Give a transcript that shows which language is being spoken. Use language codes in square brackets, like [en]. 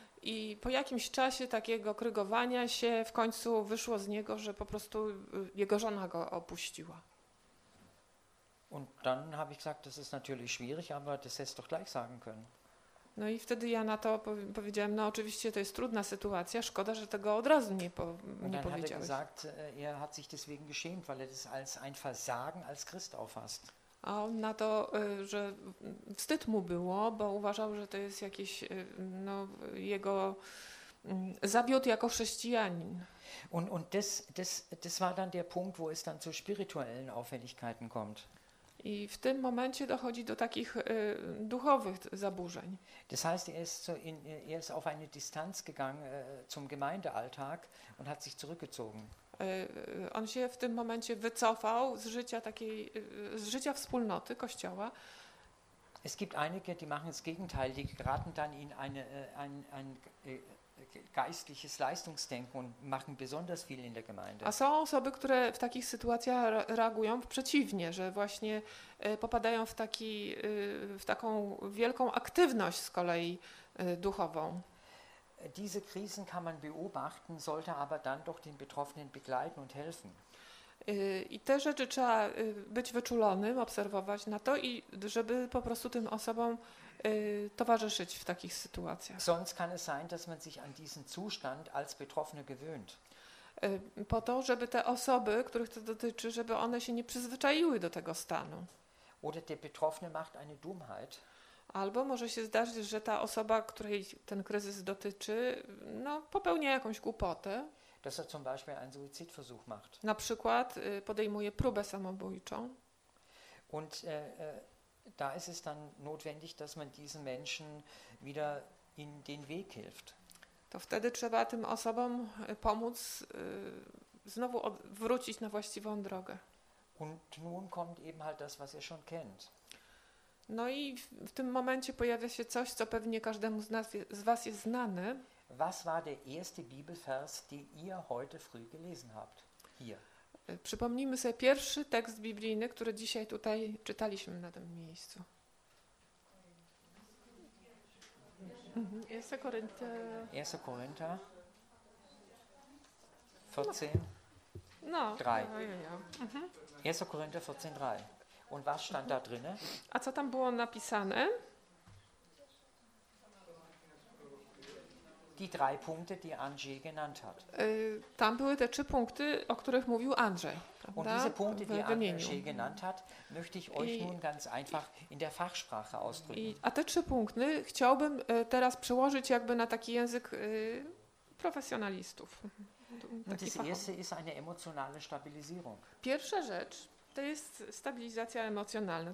[pl] I po jakimś czasie takiego krygowania się w końcu wyszło z niego, że po prostu jego żona go opuściła. [de] Und dann habe ich gesagt, das ist natürlich schwierig, aber das hättest du doch gleich sagen können. [pl] No i wtedy ja na to powiedziałem, no oczywiście to jest trudna sytuacja, szkoda, że tego od razu nie powiedziałeś. [de] Und dann hat er gesagt, er hat sich deswegen geschämt, weil er das als ein Versagen als Christ auffasst. [pl] A on na to, że wstyd mu było, bo uważał, że to jest jakiś, no, jego zawiód jako chrześcijanin. [de] Und das war dann der Punkt, wo es dann zu spirituellen Auffälligkeiten kommt. [pl] I w tym momencie dochodzi do takich duchowych zaburzeń. [de] Das heißt, er ist auf eine Distanz gegangen zum Gemeindealltag und hat sich zurückgezogen. [pl] On się w tym momencie wycofał z życia takiej, z życia wspólnoty kościoła. [de] Es gibt einige, die machen das Gegenteil, die geraten dann in ein geistliches Leistungsdenken und machen besonders viel in der Gemeinde. [pl] A są osoby, które w takich sytuacjach reagują przeciwnie, że właśnie popadają w taką wielką aktywność z kolei duchową. [de] Diese Krisen kann man beobachten, sollte aber dann doch den Betroffenen begleiten und helfen. [pl] I te rzeczy trzeba być wyczulonym, obserwować na to i żeby po prostu tym osobom towarzyszyć w takich sytuacjach. [de] Sonst kann es sein, dass man sich an diesen Zustand als Betroffene gewöhnt. [pl] Po to, żeby te osoby, których to dotyczy, żeby one się nie przyzwyczaiły do tego stanu. [de] Oder der Betroffene macht eine Dummheit. [pl] Albo może się zdarzyć, że ta osoba, której ten kryzys dotyczy, no, popełnia jakąś głupotę. [de] Dass er zum Beispiel einen Suizidversuch macht. [pl] Na przykład podejmuje próbę samobójczą. [de] Und da ist es dann notwendig, dass man diesen Menschen wieder in den Weg hilft. [pl] To wtedy trzeba tym osobom pomóc znowu wrócić na właściwą drogę. [de] Und nun kommt eben halt das, was er schon kennt. [pl] No i w tym momencie pojawia się coś, co pewnie każdemu z was jest znane. [de] Was war der erste Bibelvers, den ihr heute früh gelesen habt? Hier. [pl] Przypomnijmy sobie pierwszy tekst biblijny, który dzisiaj tutaj czytaliśmy na tym miejscu. [de] Erste Korinther. 1. Korinther. 14. No. 3. Ja. Mhm. 1. Korinther 14, 3. Und was stand da drinne? [pl] A co tam było napisane? [de] Die drei Punkte, die Andrzej genannt hat. [pl] Tam były te trzy punkty, o których mówił Andrzej. [de] Und diese Punkte, die Andrzej genannt hat, möchte ich euch nun ganz einfach in der Fachsprache ausdrücken. [pl] A te trzy punkty chciałbym teraz przełożyć jakby na taki język profesjonalistów. [de] Das erste ist eine emotionale Stabilisierung. [pl] Pierwsza rzecz to jest stabilizacja emocjonalna.